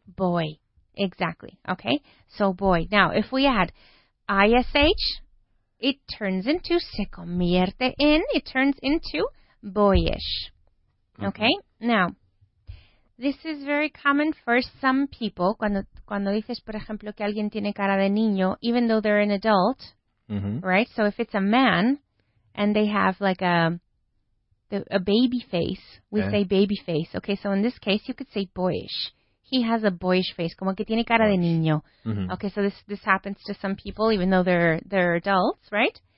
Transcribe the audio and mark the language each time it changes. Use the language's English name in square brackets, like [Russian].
[English] Boy. Exactly. Okay. So, boy. Now, if we add ish, it turns into, [Spanish] se convierte en, [English] it turns into boyish. Okay. Now, this is very common for some people. [Spanish] Cuando dices, por ejemplo, que alguien tiene cara de niño, [English] even though they're an adult, mm-hmm. right? So if it's a man and they have like a baby face, we say baby face. Okay, so in this case, you could say boyish. He has a boyish face, [Spanish] como que tiene cara de niño. Mm-hmm. [English] Okay, so this happens to some people, even though they're adults, right?